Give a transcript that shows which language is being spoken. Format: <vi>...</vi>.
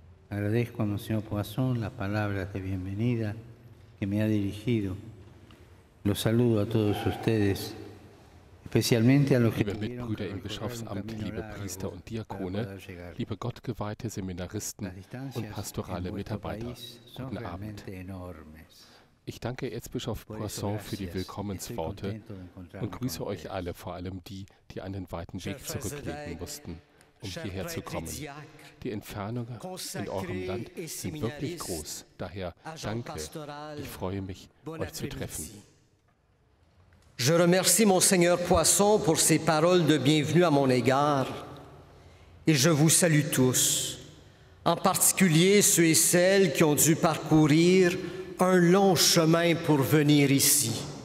<es>Agradezco a Monseñor Poisson las palabras de bienvenida que me ha dirigido. Los saludo a todos ustedes, especialmente a los</es> <de>liebe Mitbrüder im Bischofsamt, liebe Priester und Diakone, liebe gottgeweihte Seminaristen und pastorale Mitarbeiter. Guten Abend. Ich danke Erzbischof Poisson für die Willkommensworte und grüße euch alle, vor allem die, die einen weiten Weg zurücklegen mussten, um hierher zu kommen. Die Entfernungen in eurem Land sind wirklich groß. Daher danke. Ich freue mich, euch zu treffen.</de> <fr>Je remercie Monseigneur Poisson pour ses paroles de bienvenue à mon égard. Et je vous salue tous, en particulier ceux et celles qui ont dû parcourir un long chemin pour venir ici.</fr>